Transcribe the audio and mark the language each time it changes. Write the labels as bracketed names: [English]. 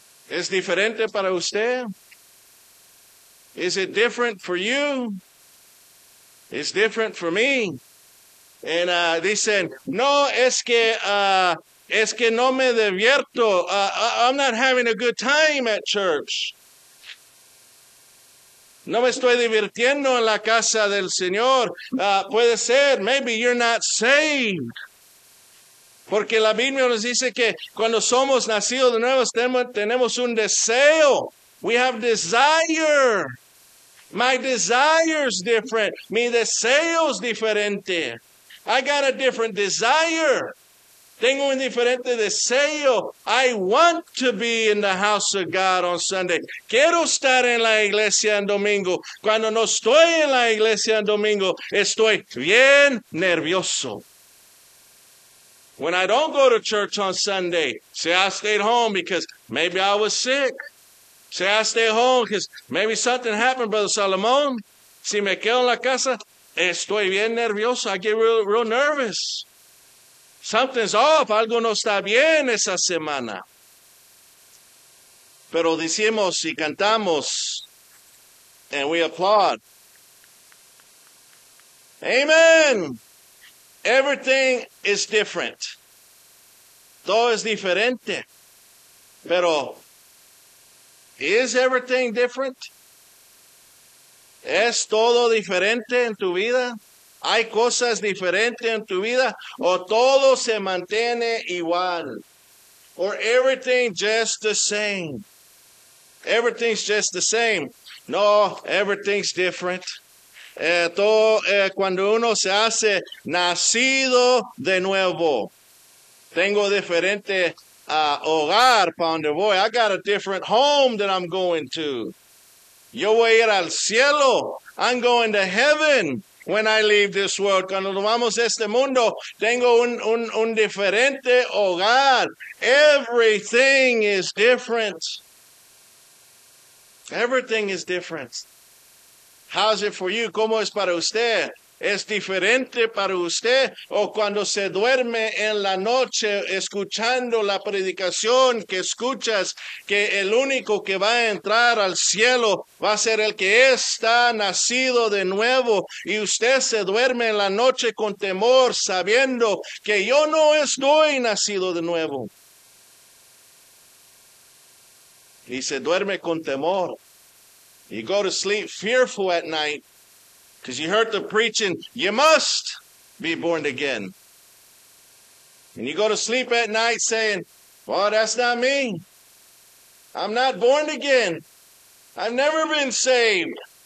[Spanish] ¿Es diferente para usted? [English] Is it different for you? It's different for me. And [Spanish] dicen, no, es que no me divierto. [English] I'm not having a good time at church. [Spanish] No me estoy divirtiendo en la casa del Señor. Puede ser, [English] maybe you're not saved. [Spanish] Porque la Biblia nos dice que cuando somos nacidos de nuevo, tenemos un deseo. [English] We have desire. My desire's different. [Spanish] Mi deseo's diferente. [English] I got a different desire. [Spanish] Tengo un diferente deseo. [English] I want to be in the house of God on Sunday. [Spanish] Quiero estar en la iglesia en domingo. Cuando no estoy en la iglesia en domingo, estoy bien nervioso. [English] When I don't go to church on Sunday, say I stayed home because maybe I was sick. Say I stay home because maybe something happened, Brother Salomón. [Spanish] Si me quedo en la casa, estoy bien nervioso. [English] I get real nervous. Something's off. [Spanish] Algo no está bien esa semana. Pero decimos y cantamos, [English] and we applaud. Amen. Everything is different. [Spanish] Todo es diferente. Pero, [English] is everything different? [Spanish] ¿Es todo diferente en tu vida? ¿Hay cosas diferentes en tu vida? ¿O todo se mantiene igual? [English] Or everything just the same? Everything's just the same. No, everything's different. [Spanish] Cuando uno se hace nacido de nuevo, tengo diferente hogar para donde voy. [English] I got a different home that I'm going to. [Spanish] Yo voy a ir al cielo. [English] I'm going to heaven when I leave this world. [Spanish] Cuando nos vamos de este mundo, tengo un diferente hogar. [English] Everything is different. Everything is different. How's it for you? [Spanish] ¿Cómo es para usted? ¿Es diferente para usted? ¿O cuando se duerme en la noche escuchando la predicación que escuchas que el único que va a entrar al cielo va a ser el que está nacido de nuevo? Y usted se duerme en la noche con temor sabiendo que yo no estoy nacido de nuevo. Y se duerme con temor. [English] You go to sleep fearful at night because you heard the preaching, you must be born again. And you go to sleep at night saying, well, that's not me. I'm not born again. I've never been saved.